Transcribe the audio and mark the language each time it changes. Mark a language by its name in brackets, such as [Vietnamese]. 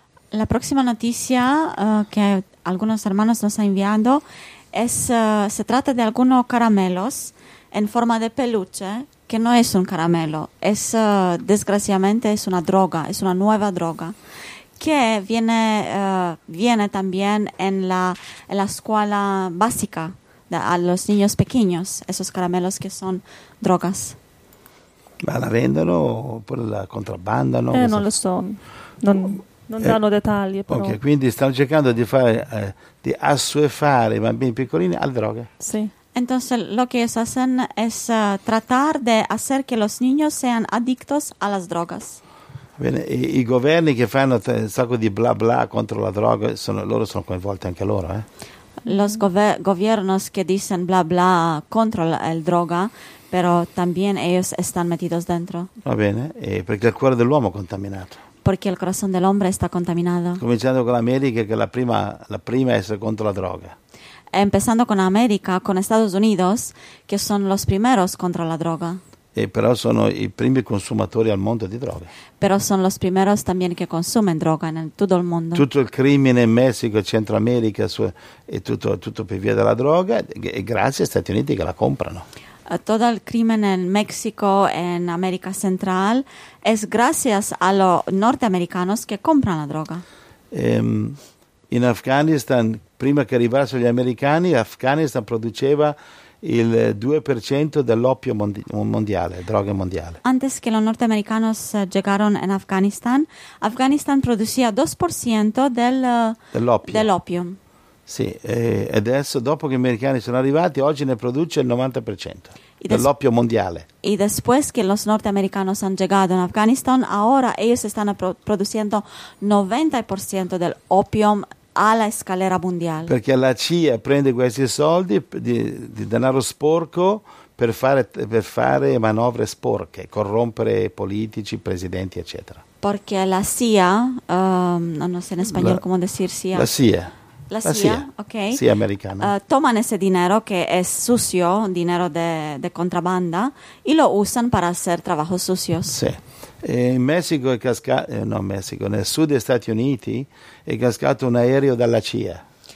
[Italian] La prossima notizia che alcuni [Spanish] hermanos nos [Italian] ha inviato se tratta di alcuni caramelos in forma di peluche, che non è un caramello, desgraciatamente è una droga, è una nuova droga che viene [Spanish] también en la [Italian] scuola [Spanish] básica a los niños pequeños, esos caramelos [Italian] che sono drogas. Ma la vendono oppure la contrabbandano? Non lo so, non danno dettagli, però. Okay, quindi stanno cercando di fare di assuefare i bambini piccolini alle droghe. Sì. [Spanish] Entonces lo que ellos hacen es tratar de hacer que los niños sean adictos a las drogas. [Italian] Bene, i governi che fanno un sacco di bla bla contro la droga, loro sono coinvolti anche loro, [Spanish] Los gobiernos que dicen bla bla [Italian] contro la [Spanish] droga, [Italian] però [Spanish] también ellos están metidos dentro. [Italian] Va bene, perché il cuore dell'uomo è contaminato. Perché il [Spanish] corazón del hombre está contaminado. [Italian] Cominciando con l'America, che è la prima a essere contro la droga. [Spanish] Empezando con América, con Estados Unidos, que son los primeros contra la droga. [Italian] E però sono i primi consumatori al mondo di droga. Però sono [Spanish] los primeros también que consumen droga en [Italian] tutto il mondo. Tutto il crimine in Messico, Centro America, è tutto per via della droga, e grazie agli Stati Uniti che la comprano. [Spanish] Todo el crimen en México, en América Central, es gracias a los norteamericanos que compran la droga. [Italian] En Afganistán, prima que arrivassero gli americani, Afghanistan produceva il 2% dell'oppio mondiale, droga mondiale. [Spanish] Antes que los norteamericanos llegaron en Afganistán, Afganistán producía 2% [Italian] dell'oppio. Sì, e adesso dopo che gli americani sono arrivati, oggi ne produce il 90% dell'oppio mondiale. [Spanish] E después que los norteamericanos han llegado en Afganistán, ahora ellos están produciendo 90% del opium [Italian] alla scala mondiale. Perché la CIA prende questi soldi di denaro sporco per fare manovre sporche, corrompere politici, presidenti, eccetera. Perché la CIA, non so in spagnolo come dire CIA. La CIA, ok. Sì, americana. [Spanish] Toman ese dinero que es sucio, dinero de contrabanda, y lo usan para hacer trabajos sucios. [Italian] Sì. In Messico è cascato, no, Messico, nel sud degli Stati Uniti è cascato un aereo dalla CIA.